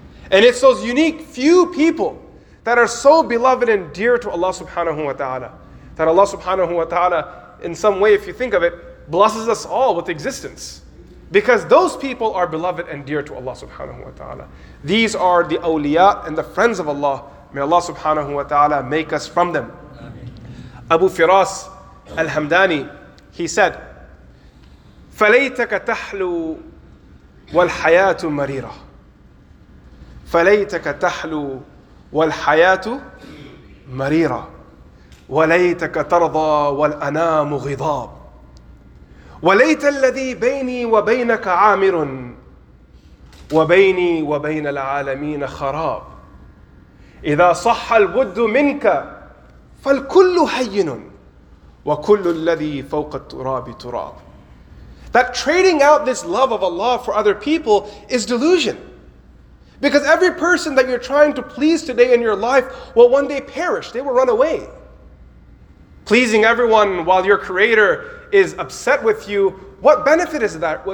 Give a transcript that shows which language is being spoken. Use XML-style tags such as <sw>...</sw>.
<en>And it's those unique few people that are so beloved and dear to Allah subhanahu wa ta'ala that Allah subhanahu wa ta'ala, in some way, if you think of it, blesses us all with existence. Because those people are beloved and dear to Allah subhanahu wa ta'ala. These are the awliya and the friends of Allah. May Allah subhanahu wa ta'ala make us from them. Amen.</en> <ar>Abu Firas al-Hamdani,</ar> <en>he said,</en> <ar>فَلَيْتَكَ تَحْلُو وَالْحَيَاةُ مَرِيرَةُ فَلَيْتَكَ تَحْلُو وَالْحَيَاةُ مَرِيرَةُ وَلَيْتَكَ تَرْضَى وَالْأَنَامُ غِضَابُ وليت الذي بيني وبينك عامر وبيني وبين العالمين خراب إذا صح البد منك فالكل هين وكل الذي فوق التراب تراب.</ar> <en>That trading out this love of Allah for other people is delusion. Because every person that you're trying to please today in your life will one day perish, they will run away. Pleasing everyone while your Creator is upset with you, what benefit is that?</en>